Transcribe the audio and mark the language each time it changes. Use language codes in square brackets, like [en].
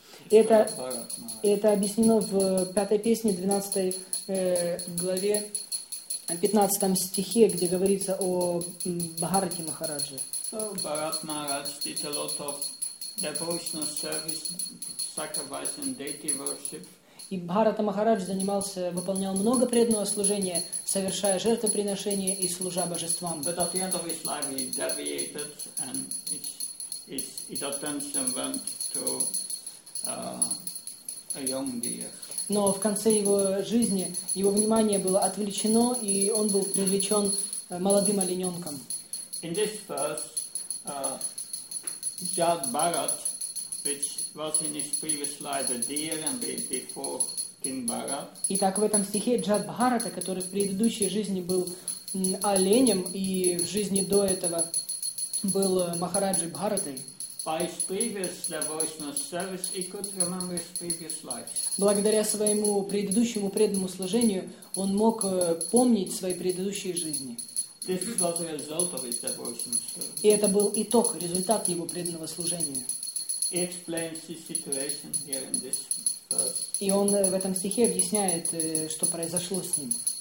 [ru] Это объяснено в 5 песне, 12 главе, 15 стихе, где говорится о Бхарати Махарадже. [en] Бхарат Махарадж did a lot of devotional service, sacrifice and deity worship. [ru] И Бхарата Махарадж занимался, выполнял много преданного служения, совершая жертвоприношения и служа божествам. [en] But at the end of his life he deviated and his attention went to a young deer. [ru] Но в конце его жизни его внимание было отвлечено, и он был привлечен молодым олененком. [en] In this verse, Jad Bharat, which was in his previous life a deer and before King Bharat. [ru] Итак, в этом стихе Джад Бхарата, который в предыдущей жизни был оленем и в жизни до этого был Махараджи Бхаратой. [en] By his previous devotional service, he could remember his previous life. [ru] Благодаря своему предыдущему преданному служению, он мог помнить свои предыдущие жизни. [en] This was the result of his devotional service. [ru] И это был итог, результат его преданного служения. [en] He explains his situation here in this verse. [ru] И он в этом стихе объясняет, что произошло с ним.